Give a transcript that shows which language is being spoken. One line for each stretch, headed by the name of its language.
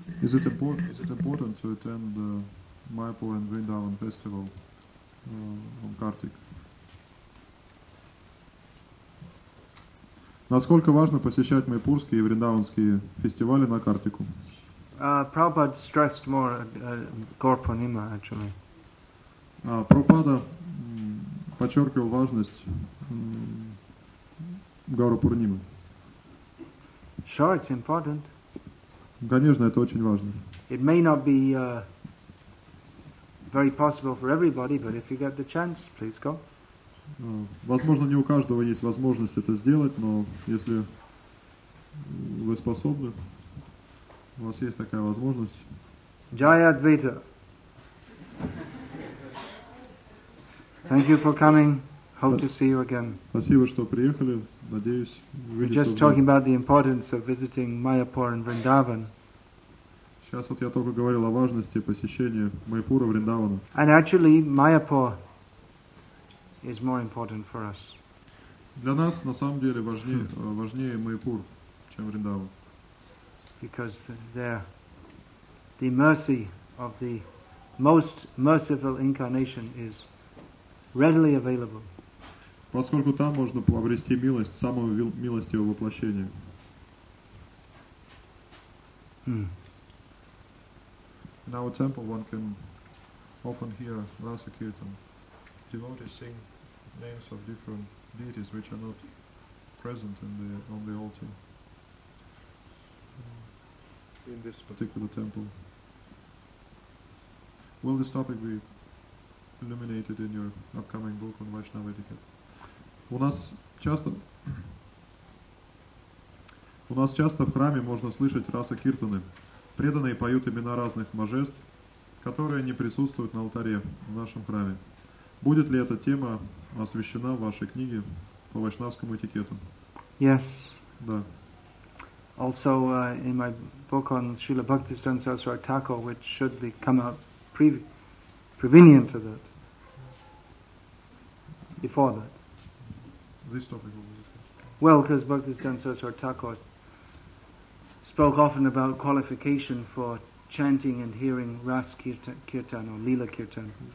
English: Is it important to attend the Maipo and Vrindavan festival on Kartik?
Russian: Насколько важно посещать майпурские и вриндаванские фестивали на Картику?
English: Prabhupada stressed more Gaur Purnima, actually.
Russian: Prabhupada подчеркивал важность Гауру Пурнимы.
English: Sure, it's important.
Russian: Конечно, это очень важно.
English: It may not be very possible for everybody, but if you get the chance, please go.
Russian: Возможно, не у каждого есть возможность это сделать, но если вы способны, у вас есть такая возможность.
English: Jaya Advaita. Thank you for coming. Hope to see you again.
Russian: Спасибо, что приехали. Надеюсь, увидимся.
English: We're just talking about the importance of visiting Mayapur and Vrindavan.
Russian: Сейчас вот я только говорил о важности посещения Майпура и Вриндавана.
English: And actually, Mayapur is more important for us.
Russian: Для нас на самом деле важнее Майпур, чем Вриндаван.
English: Because there the mercy of the most merciful incarnation is readily available.
Russian: Поскольку там можно обрести милость самого милостивого воплощения.
English: In our temple one can often hear Rasa Kirtan. Devotees sing names of different deities which are not present on the altar in this particular temple. Will this topic be illuminated in your upcoming book on Vaishnava etiquette?
Russian: У нас часто в храме можно слышать Раса Киртаны. Преданные поют имена разных божеств, которые не присутствуют на алтаре в нашем храме. Будет ли эта тема освещена в вашей книге по вайшнавскому этикету?
English: Yes.
Russian: Да.
English: Also in my book on Srila Bhaktisiddhanta Saraswati Thakur, which should be come out prevenient to that. Before that. This topic will be discussed. Well, because Bhaktisiddhanta Saraswati Thakur spoke often about qualification for chanting and hearing Ras Kirtan or Lila Kirtan.